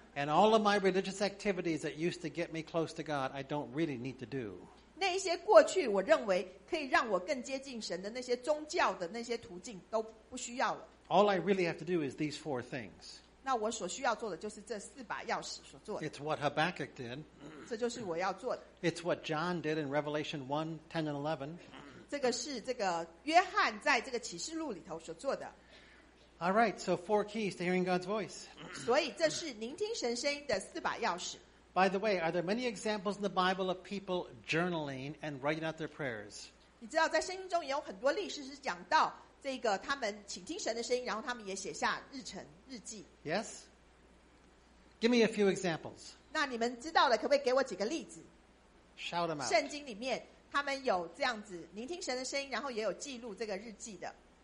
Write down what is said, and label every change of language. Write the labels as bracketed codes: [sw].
[en] And all of my religious activities that used to get me close to God, I don't really need to do. [zh] 那一些过去我认为可以让我更接近神的那些宗教的那些途径都不需要了。 [en] All I really have to do is these four things. [zh] 那我所需要做的就是这四把钥匙所做的。 [en] It's what Habakkuk did. [zh] 这就是我要做的。 [en] It's what John did in Revelation 1, 10 and 11. [zh] 这个是这个约翰在这个启示录里头所做的。 [en] All right, so four keys to hearing God's voice. [zh] 所以这是聆听神声音的四把钥匙。 [en] By the way, are there many examples in the Bible of people journaling and writing out their prayers? [zh] 你知道在圣经中有很多历史是讲到这个他们倾听神的声音，然后他们也写下日程日记。 [en] Yes. Give me a few examples. [zh] 那你们知道了，可不可以给我几个例子 [en] ？Shout them out. [zh] 圣经里面他们有这样子聆听神的声音，然后也有记录这个日记的。